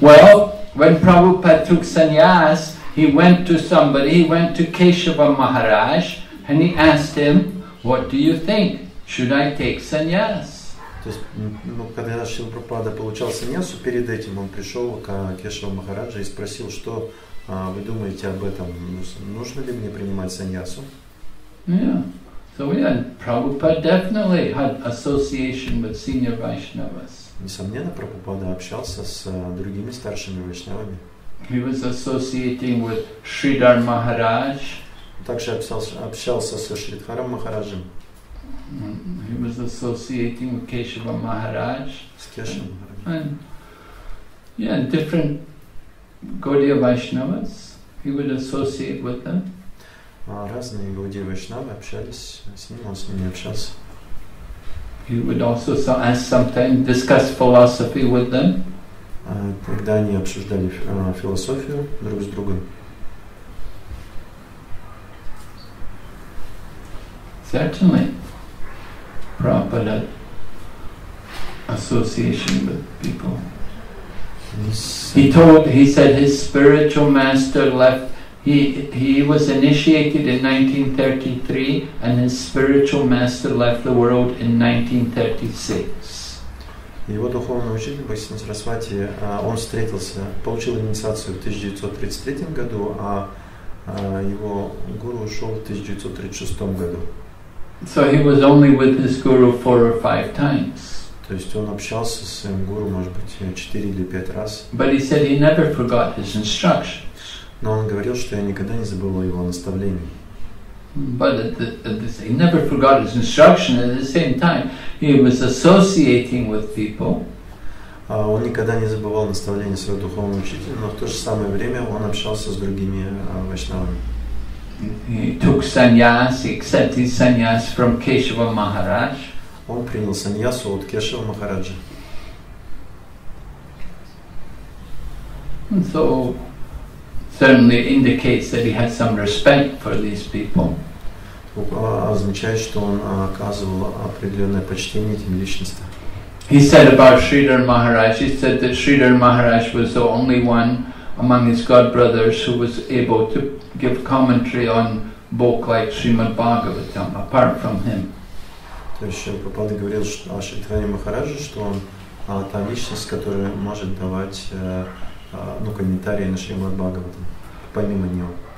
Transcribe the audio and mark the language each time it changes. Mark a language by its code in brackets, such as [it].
[en] Well, when Prabhupada took sannyas, he went to Keshava Maharaj, and he asked him, what do you think? Should I take sannyas? [ru] То есть, когда Шрила Прабхупада получал саньясу, перед этим он пришел к Кешава Махараджа и спросил, что вы думаете об этом, нужно ли мне принимать саньясу? [en] Yeah. So yeah, Prabhupada definitely had association with senior Vaishnavas. [ru] Несомненно, Прабхупада общался с другими старшими вайшнавами. [en] He was associating with Шридхар Махарадж. [ru] Также общался со Шридхаром Махараджем. [en] He was associating with Keshava Maharaj. And different Gaudiya Vaishnavas, he would associate with them. [ru] Разные Gaudiya Vaishnavas общались с ним, он с ними общался. [en] He would also ask sometimes, discuss philosophy with them. [ru] Когда они обсуждали философию друг с другом. [en] Certainly. Prabhupada association with people. He said his spiritual master left. He was initiated in 1933, and his spiritual master left the world in 1936. [ru] Его духовный учитель Бхактисиддханта Сарасвати, он встретился, получил инициацию в 1933 году, а его гуру ушел в 1936 году. [en] So he was only with his guru 4 or 5 times. [ru] То есть он общался с своим гуру, может быть, 4 или 5 раз. [en] But he said he never forgot his instructions. [ru] Но он говорил, что я никогда не забыл его наставлений. [en] But he never forgot his instruction. At the same time, he was associating with people. [ru] Он никогда не забывал наставления своего духовного учителя, но в то же самое время он общался с другими вайшнавами. [en] He took sannyas, he accepted sannyas from Keshava Maharaj. [ru] Он принял саньясу от Кешава Махараджа. [en] And so certainly indicates that he had some respect for these people. [ru] Означает, что он оказывал определенное почтение этим личностям. [en] He said about Sridhar Maharaj, he said that Sridhar Maharaj was the only one among his god brothers who was able to give commentary on book like Srimad Bhagavatam, apart from him. [ru] То есть Шрипад говорил о Шридхаре Махарадже, что он та личность, которая может давать комментарии на Шримад Бхагаватам, помимо него.